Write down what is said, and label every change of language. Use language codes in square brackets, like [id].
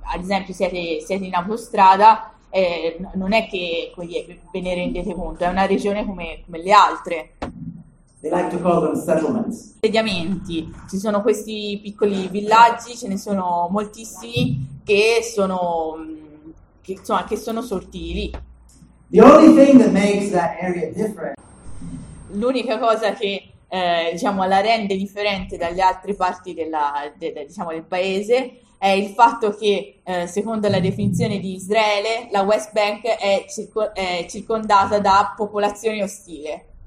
[it] Ad esempio, siete in autostrada. Non è che ve ne rendete conto, è una regione come le altre. [en] They like to call them settlements. [it] Insediamenti. Ci sono questi piccoli villaggi, ce ne sono moltissimi che sono sorti lì. [en] The only thing that makes that area different. [it] L'unica cosa che la rende differente dalle altre parti del paese è il fatto che, secondo la definizione di Israele, la West Bank è circondata da popolazione ostile.